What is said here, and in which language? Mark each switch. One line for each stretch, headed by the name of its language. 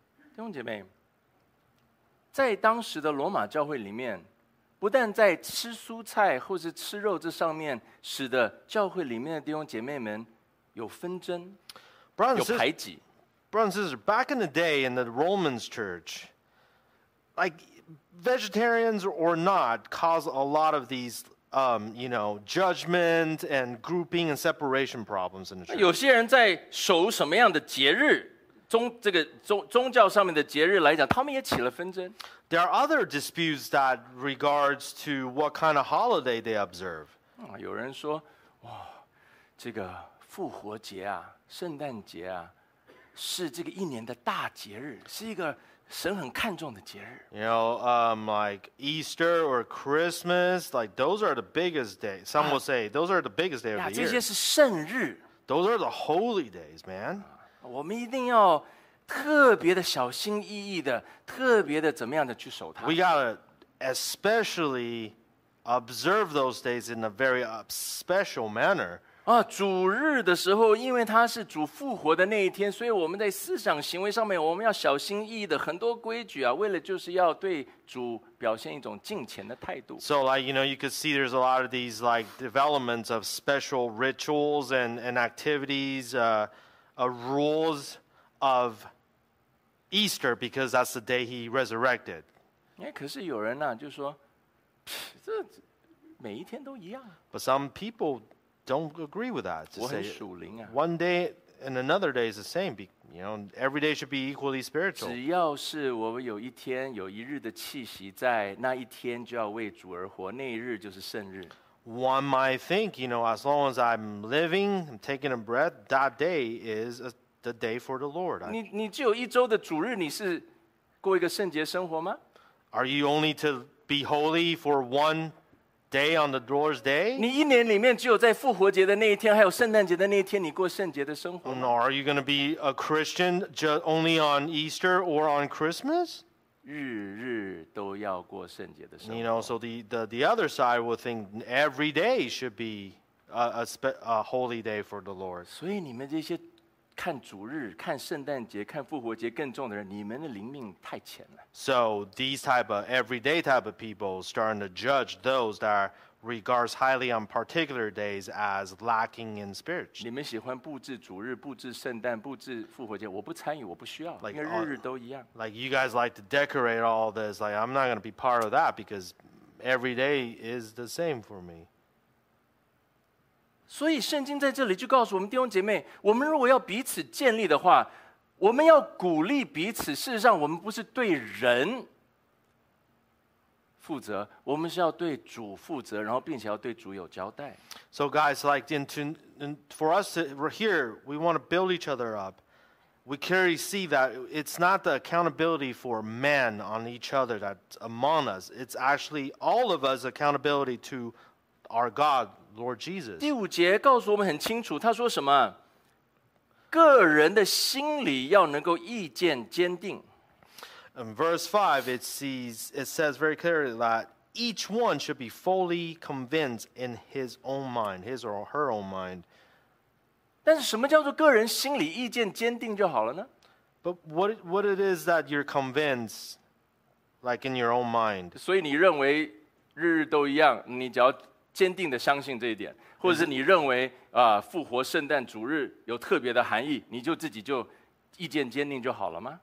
Chinese: 弟兄姐妹，在当时的罗马教会里面，不但在吃蔬菜或是吃肉这上面，使得教会里面的弟兄姐妹们有纷争。
English: Brothers and sisters, back in the day in the Romans church, like vegetarians or not, caused a lot of these, you know, judgment and grouping and separation problems in the church.
Chinese: 有些人在守什么样的节日，宗教上面的节日来讲，他们也起了纷争。
English: There are other disputes that regards to what kind of holiday they observe.
Chinese: 有人说，哇，这个复活节啊，圣诞节啊，是这个一年的大节日，是一个神很看重的节日。
English: You know, like Easter or Christmas, like those are the biggest day. Some will say those are the biggest day of the year.
Chinese: 这些是圣日。
English: Those are the holy days, man.
Chinese: 我们一定要特别的小心翼翼的，特别的怎么样的去守它。
English: We gotta especially observe those days in a very special manner.
Chinese: 主日的时候，因为它是主复活的那一天，所以我们在思想行为上面，我们要小心翼翼的很多规矩啊，为了就是要对主表现一种敬虔的态度。
English: So like you know, you could see there's a lot of these like developments of special rituals and activities, rules of Easter because that's the day he resurrected.
Chinese: 可是有人呢、啊、就说，这每一天都一样。
English: But some people. Don't agree with that. To say one day and another day is the same. You know, every day should be equally spiritual.
Chinese: 只要是我们有一天有一日的气息在那一天就要为主而活，那一日就是圣日。
English: One might think, you know, as long as I'm living, I'm taking a breath, that day is the day for the Lord.
Chinese: 你只有一周的主日，你是过一个圣洁生活吗？
English: Are you only to be holy for one? Day on the Lord's Day?
Chinese: 你一年里面只有在复活节的那一天，还有圣诞节的那一天，你过圣洁的生活。
English: No, are you going to be a Christian just only on Easter or on Christmas?
Chinese: 日日都要过圣洁的生活。
English: You know, so the other side will think every day should be a holy day for the Lord.
Chinese: 所以你们这些看主日、看圣诞节、看复活节更重的人，你们的灵命太浅了。
English: So these type of everyday type of people starting to judge those that regards highly on particular days as lacking in spirit.
Chinese: 你们喜欢布置主日、布置圣诞、布置复活节，我不参与，我不需要，因为日日都一样。
English: Like you guys like to decorate all this, like I'm not going to be part of that because every day is the same for me.
Chinese: 所以圣经在这里就告诉我们弟兄姐妹，我们如果要彼此建立的话，我们要鼓励彼此。事实上，我们不是对人负责，我们是要对主负责，然后并且要对主有交代。
English: So guys, like for us here, we want to build each other up. We clearly see that it's not the accountability for men on each other that's among us. It's actually all of us accountability to our God. Lord Jesus.
Chinese: 第五节告诉我们很清楚，他说什么？个人的心里要能够意见坚定。
English: In verse 5, it says very clearly that each one should be fully convinced in his own mind, his or her own mind.
Chinese: 但是什么叫做个人心里意见坚定就好了呢？
English: But what it is that you're convinced, like in your own mind.
Chinese: 所以你认为日日都一样，你只要坚定的相信这一点，或者是你认为复活圣诞主日有特别的含义，你就自己就意见坚定就好了吗？